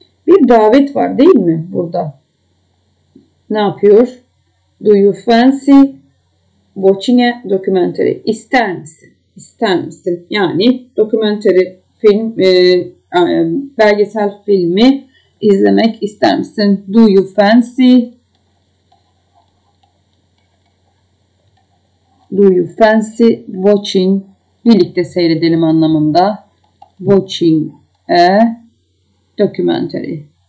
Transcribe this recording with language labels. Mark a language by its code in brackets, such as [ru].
[tr] Bir davet var değil mi burada? Ne yapıyor? [en] Do you fancy watching a documentary? [tr] İster misin? İster misin? Yani documentary film belgesel filmi izlemek ister misin? [en] Do you fancy? Do you fancy watching? [tr] Birlikte seyredelim anlamında. [en] Watching a documentary.